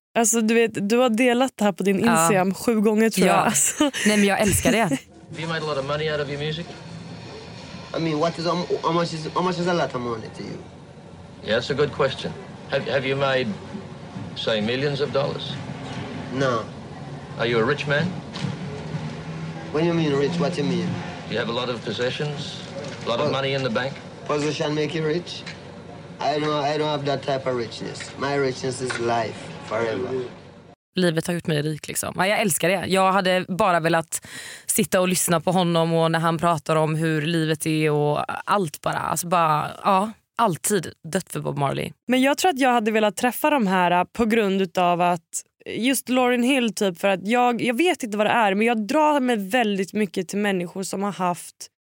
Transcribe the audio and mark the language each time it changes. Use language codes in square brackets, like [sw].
[sv] Alltså du vet, du har delat det här på din Instagram 7 gånger tror jag. Alltså. Nej men jag älskar det. [en] Have you made a lot of money out of your music? I mean, what is how much is a lot of money to you? Yeah, that's a good question. Have you made, say, millions of dollars? No. Are you a rich man? What do you mean rich? What do you mean? You have a lot of possessions, a lot of money in the bank. Position make you rich? I don't have that type of richness. My richness is life, forever. [sv] Livet har gjort mig rik liksom. Ja, jag älskar det. Jag hade bara velat sitta och lyssna på honom och när han pratar om hur livet är och allt bara. Alltså bara, ja... Alltid dött för Bob Marley. Men jag tror att jag hade velat träffa de här på grund av att... Just Lauryn Hill typ, för att jag vet inte vad det är. Men jag drar mig väldigt mycket till människor som har haft...